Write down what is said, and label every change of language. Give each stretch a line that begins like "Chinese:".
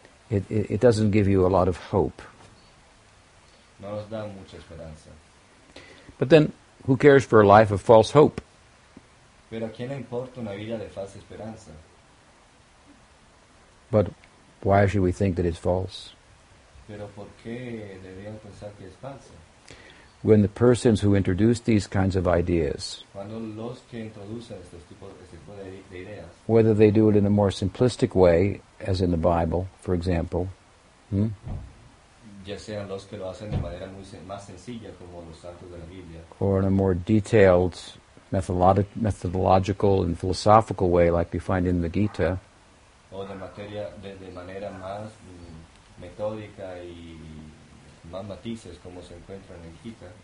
English: It doesn't give you a lot of hope.
Spanish: No nos da mucha esperanza.
English: But then, who cares for a life of false hope?
Spanish: Pero ¿a quién le importa una vida de falsa esperanza?
English: But why should we think that it's false?
Spanish: Pero ¿por qué deberíamos pensar que es falsa?
English: When the persons who introduce these kinds of ideas,
Spanish: cuando los que introducen este tipo de ideas,
English: whether they do it in a more simplistic way, as in the Bible, for example,
Spanish: ya sean los que lo hacen de manera muy más sencilla, como los santos de la Biblia,
English: or in a more detailed methodological and philosophical way, like we find in the Gita,
Spanish: o de manera más metódica y más matices, como se encuentra en el Gita,